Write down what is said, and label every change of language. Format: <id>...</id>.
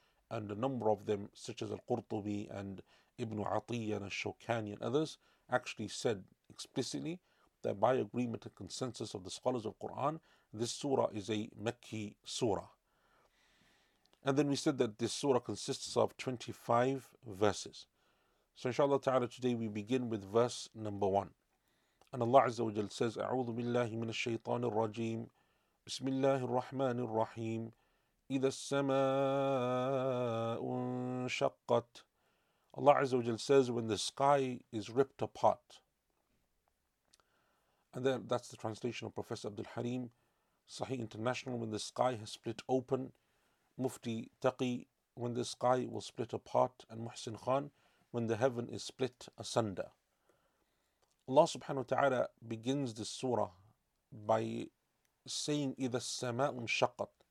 <en>And a number of them, such as Al-Qurtubi and Ibn Atiyyah and Al-Shawkani and others, actually said explicitly that by agreement and consensus of the scholars of Quran, this surah is a Makki surah. And then we said that this surah consists of 25 verses. So inshallah ta'ala, today we begin with verse number 1. And Allah Azza wa Jal says,</en> <ar>أعوذ بالله من الشيطان الرجيم بسم الله الرحمن الرحيم إذا السماء انشقت.</ar> <en>Allah Azza wa Jal says, when the sky is ripped apart. And then that's the translation of Professor Abdul Harim, Sahih International, when the sky has split open. Mufti Taqi, when the sky will split apart. And Muhsin Khan, when the heaven is split asunder. Allah subhanahu wa ta'ala begins this surah by saying,</en> <ar>إِذَا السَّمَاءُ انشَقَّتْ.</ar>